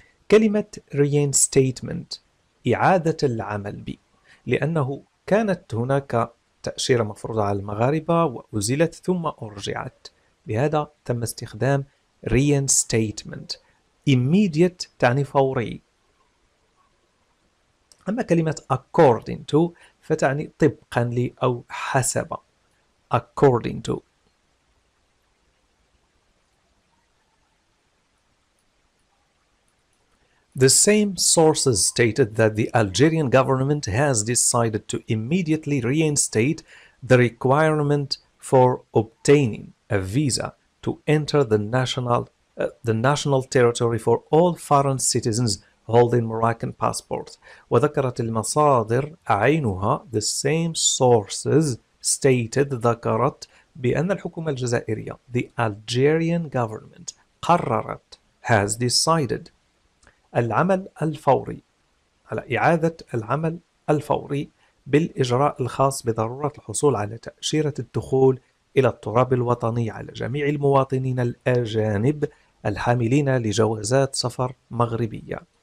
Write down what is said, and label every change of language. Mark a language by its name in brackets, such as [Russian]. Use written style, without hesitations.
[Arabic] كلمة reinstatement إعادة العمل به, لأنه كانت هناك تأشيرة مفروضة على المغاربة وأزيلت ثم أرجعت, لهذا تم استخدام reinstatement. immediate تعني فوري, أما كلمة according to فتعني طبقا لي أو حسب. [English] according to The same sources stated that the Algerian government has decided to immediately reinstate the requirement for obtaining a visa to enter the national territory for all foreign citizens holding Moroccan passport. [Arabic] وذكرت المصادر عينها, [English] the same sources stated, [Arabic] ذكرت بأن الحكومة الجزائرية, [English] the Algerian government, [Arabic] قررت, [English] has decided, [Arabic] العمل الفوري, على إعادة العمل الفوري بالإجراء الخاص بضرورة الحصول على تأشيرة الدخول إلى التراب الوطني على جميع المواطنين الأجانب الحاملين لجوازات سفر مغربية.